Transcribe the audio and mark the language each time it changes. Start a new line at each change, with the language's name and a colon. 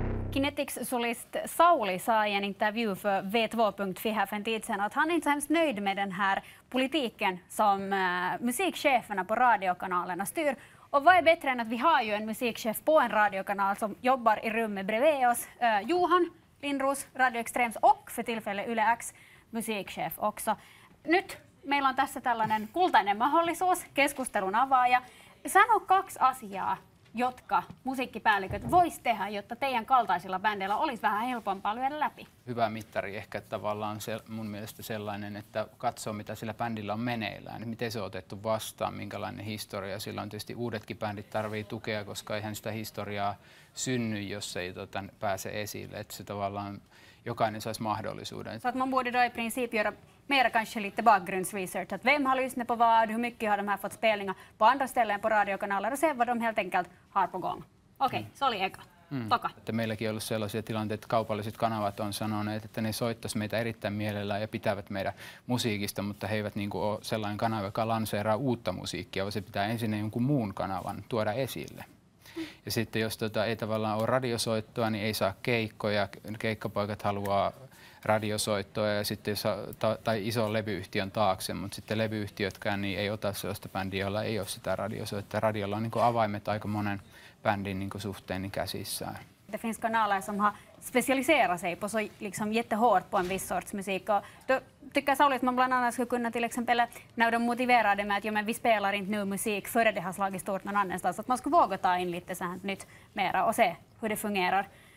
Swedish: Kinetics solist Sauli sa i en intervju för V2.fi här för en tid sedan att han inte är hemskt nöjd med den här politiken som musikcheferna på radiokanalerna styr. Och vad är bättre än att vi har ju en musikchef på en radiokanal som jobbar i rummet bredvid oss. Johan Lindros, Radio Extrems och för tillfället Yle X musikchef också.
Finnish: Nyt meillä on tässä tällainen kultainen mahdollisuus, keskustelun avaaja. Sano kaksi asiaa, jotka musiikkipäälliköt vois tehdä, jotta teidän kaltaisilla bändeillä olisi vähän helpompaa lyödä läpi. Hyvä mittari ehkä tavallaan se, mun mielestä sellainen, että katsoo mitä sillä bändillä on meneillään, miten se on otettu vastaan, minkälainen historia. Sillä on tietysti uudetkin bändit tarvii tukea, koska eihän sitä historiaa synny, jos ei pääse esille. Että se tavallaan jokainen saisi mahdollisuuden.
Swedish: Så att man borde då i princip göra mer kanske lite bakgrundsresearch, att vem har lyssnat på vad, hur mycket har de här fått spelningar på andra ställen på radiokanaler och se vad de helt enkelt har på gång.
Finnish: Okej, så oli eka. Toka. Että meilläkin on ollut sellaisia tilanteita, että kaupalliset kanavat on sanoneet, että ne soittaisi meitä erittäin mielellään ja pitävät meidän musiikista, mutta he eivät niin kuin ole sellainen kanava, joka lanseeraa uutta musiikkia, vaan se pitää ensin jonkun muun kanavan tuoda esille. Ja sitten jos ei tavallaan ole radiosoittoa, niin ei saa keikkoja, keikkapoikat haluaa radiosoittoa ja sitten tai ison levyyhtiön taakse, mutta sitten levyyhtiötkään niin ei ota sellaista bändiä, jolla ei ole sitä radiosoittoa. Radiolla on niin kuin avaimet aika monen bändin niin kuin suhteen niin käsissään.
Swedish: Det finns kanaler som har specialiserat sig på så liksom jättehårt på en viss sorts musik. Och då tycker Sauli att man bland annat skulle kunna till exempel när de motiverar det med att ja, men vi spelar inte nu musik före det har slagit stort någon annanstans. Så att man skulle våga ta in lite så här nytt mera och se hur det fungerar.